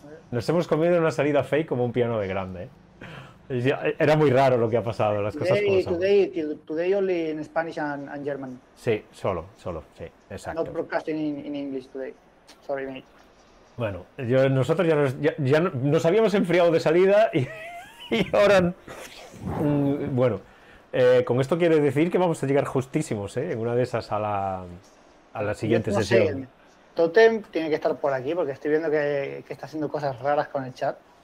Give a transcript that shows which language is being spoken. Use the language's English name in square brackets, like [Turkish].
[Spanish] Nos hemos comido una salida fake como un piano de grande. Era muy raro lo que ha pasado, las cosas como son. [English] Today only in Spanish and German. [Spanish] Sí, solo, sí, exacto. [English] No broadcasting in English today. Sorry, mate. [Spanish] Bueno, nosotros ya nos habíamos enfriado de salida y... Y ahora, bueno, con esto quiere decir que vamos a llegar justísimos, en una de esas a la siguiente sesión. Totem tiene que estar por aquí porque estoy viendo que está haciendo cosas raras con el chat.